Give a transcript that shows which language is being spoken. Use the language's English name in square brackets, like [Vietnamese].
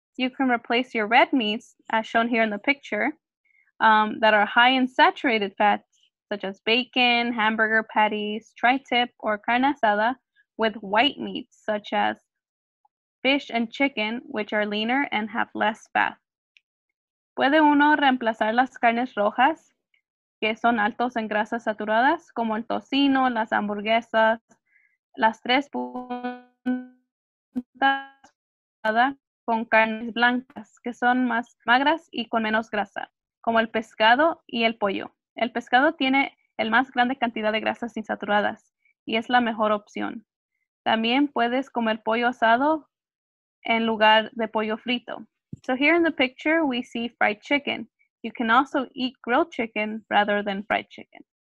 [English] You can replace your red meats, as shown here in the picture, that are high in saturated fats, such as bacon, hamburger patties, tri-tip, or carne asada, with white meats, such as fish and chicken, which are leaner and have less fat. [Spanish] ¿Puede uno reemplazar las carnes rojas, que son altos en grasas saturadas, como el tocino, las hamburguesas, las tres puntas, con carnes blancas, que son más magras y con menos grasa, como el pescado y el pollo? El pescado tiene el más grande cantidad de grasas insaturadas y es la mejor opción. También puedes comer pollo asado en lugar de pollo frito. [English] So here in the picture, we see fried chicken. You can also eat grilled chicken rather than fried chicken.